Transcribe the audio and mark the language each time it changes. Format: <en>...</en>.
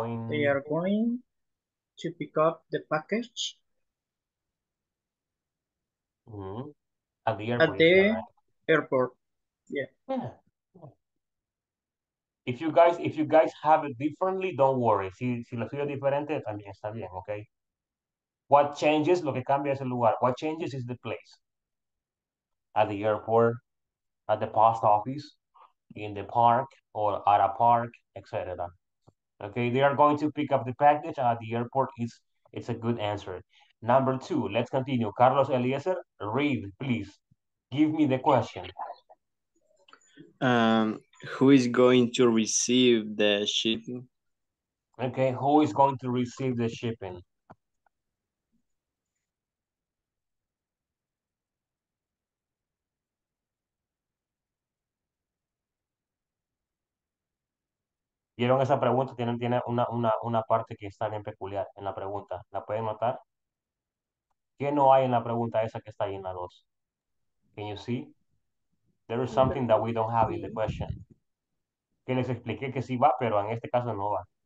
<en>They are going to pick up the package. Mm-hmm. At the airport. At the airport. Yeah. If you guys have it differently, don't worry.</en> <es>Si lo suyo diferente, también está bien, okay?</es> <en>What changes,</en> <es>lo que cambia es el lugar.</es> <en>What changes is the place. At the airport, at the post office, in the park, or at a park, etc. Okay, they are going to pick up the package at the airport. It's a good answer. Number two, let's continue. Carlos Eliezer, read, please. Give me the question. Who is going to receive the shipping? Okay, who is going to receive the shipping?</en> <es>¿Vieron esa pregunta? Tiene una parte que está bien peculiar en la pregunta. ¿La pueden notar? ¿Qué no hay en la pregunta esa que está ahí en la 2?</es> <en>Can you see? There is something that we don't have in the question.</en> <es>Que les expliqué que sí va, pero en este caso no va.</es>